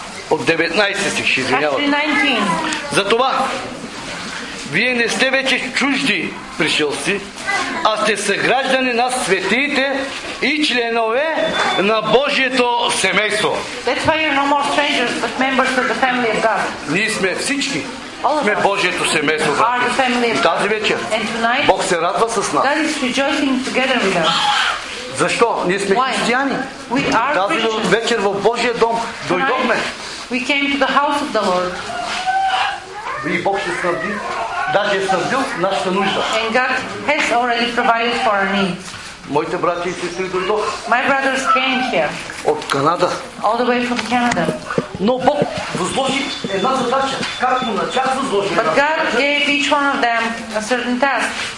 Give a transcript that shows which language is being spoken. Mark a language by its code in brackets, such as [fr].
[bg] От 19 стих, ще извинявам. Затова вие не сте вече чужди пришелци, а сте съграждани на светиите и членове на Божието семейство. [en] That's why you're no more strangers, but members of the family of God. [bg] Ние сме всички. Сме Божието семейство. Тази вечер Бог се радва с нас. [en] God is rejoicing together with us. [bg] Защо? Ние сме християни. Тази вечер в Божия дом дойдохме. [en] We came to the house of the Lord. [bg] И Бог ще снабди, даже е снабдил нашата нужда. [en] And God has already provided for our needs. [bg] Моите брати и сестри дойдох. [en] My brothers came here. [bg] От Канада. [en] All the way from Canada. [bg] Но Бог възложи една задача, както на част възложи. [en] But God gave each one of them a certain task.